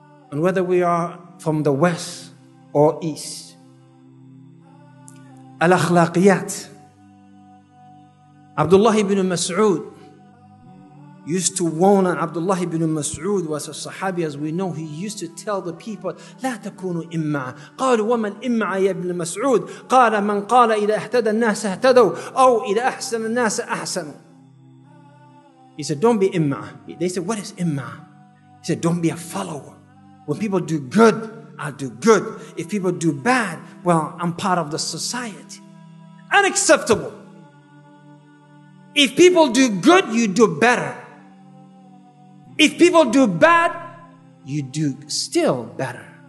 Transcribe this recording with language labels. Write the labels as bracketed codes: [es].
[en] And whether we are from the west or east. Al-akhlaqiyat. Abdullah ibn Mas'ud used to warn on Abdullah ibn Mas'ud was a Sahabi, as we know. He used to tell the people, [ar] لا تكونوا إمعا. قالوا وما الإمعا يا ابن مسعود. قال من قال إذا اهتدى الناس اهتدوا أو إذا أحسن الناس أحسنوا. [en] He said, don't be إمعا. They said, what is إمعا? He said, don't be a follower. When people do good, I do good. If people do bad, well, I'm part of the society. Unacceptable. If people do good, you do better. If people do bad, you do still better.